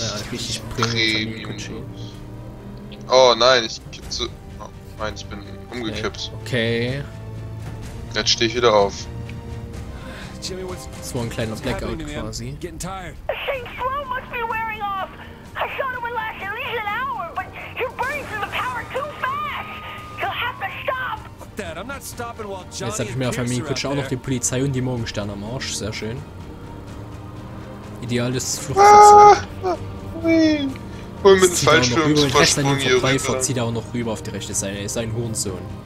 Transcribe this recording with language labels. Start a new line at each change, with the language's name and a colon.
German: Richtig Premium. Oh nein, ich kipp zu. Oh nein, ich bin umgekippt. Okay. Jetzt stehe ich wieder auf. Das war ein kleiner Blackout quasi.
English: Getting tired. Shane's flow must be wearing off. I thought it would last at least an hour, but you're burning through the power too fast. You'll have to stop. Dad, I'm not stopping while Johnny.
German: Jetzt habe ich mir auf meinem Kutsch auch noch die Polizei und die Morgensterne am Arsch. Sehr schön. Ideales Fluchtfahrzeug. Ah, mit dem Fallschirm zum Versprung hier rüber. Pfeifer zieht auch noch rüber auf die rechte Seite. Er ist ein Hurensohn.